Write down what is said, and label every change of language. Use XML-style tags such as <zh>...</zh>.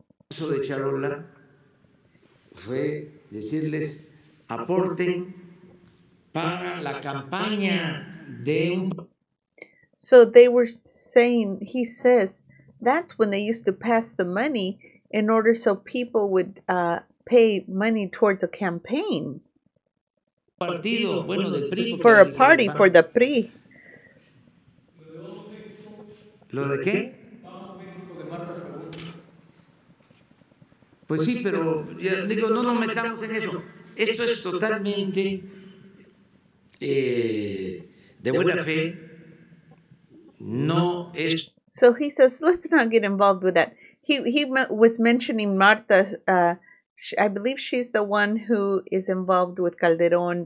<es>Eso de Charola fue decirles, aporten para la campaña de un.</es> <en>So they were saying, he says, that's when they used to pass the money in order so people would pay money towards a campaign.</en> <es>Partido, bueno, del PRI.</es> <en>For a party, for the PRI.</en> <es>¿Lo de qué? Pues sí, pero ya, digo, no nos metamos en eso. Esto es totalmente de buena fe. No es.</es> <en>So he says, let's not get involved with that. He was mentioning Marta. I believe she's the one who is involved with Calderón.</en>